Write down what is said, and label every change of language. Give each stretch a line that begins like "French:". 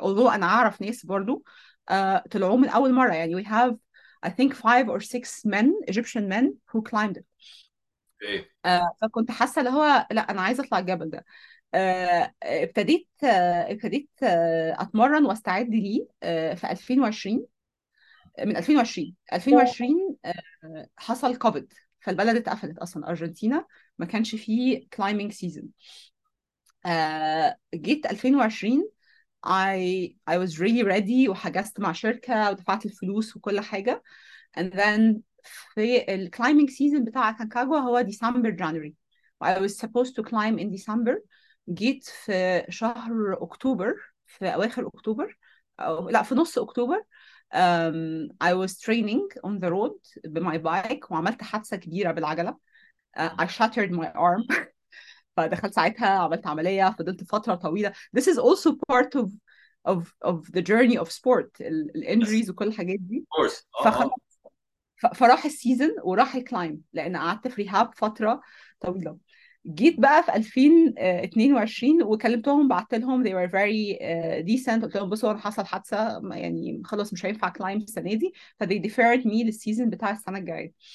English: although
Arabic: أنا أعرف ناس برضو طلعوا من أول مرة.
English: يعني we have I think five or six men Egyptian men who climbed it.
Arabic: ايه فكنت حاسة اللي هو لا أنا عايزة أطلع الجبل ده. ابتديت أتمرن وأستعد ليه في 2020. من 2020 2020 حصل كوفيد فالبلد اتقفلت أصلا. أرجنتينا ما كانش فيه climbing season. جيت 2020
English: I was really ready
Arabic: وحجزت مع شركة ودفعت الفلوس وكل حاجة.
English: And then
Arabic: في الكلايمينج سيزون بتاع كانكاغوا هو ديسمبر جانوري
English: I was supposed to climb in December.
Arabic: جيت في شهر أكتوبر في أواخر أكتوبر أو لا في نص أكتوبر.
English: I was training on the road بماي bike
Arabic: وعملت حادثة كبيرة بالعجلة.
English: I shattered my arm.
Arabic: فدخلت ساعتها عملت عملية فضلت فترة طويلة.
English: This is also part of the journey of sport.
Arabic: ال injuries وكل الحاجات دي.
English: Of course.
Arabic: فخلص فراح السيزن وراح الكلايم لأن قعدت في ريهاب فترة طويلة. جيت بقى في 2022 وكلمتهم بعت لهم
English: they were very decent.
Arabic: قلت لهم بصوا أنا حصل حادثة يعني خلاص مش هينفع كلايم السنة دي ف
English: they deferred me
Arabic: للسيزن بتاع السنة الجاية.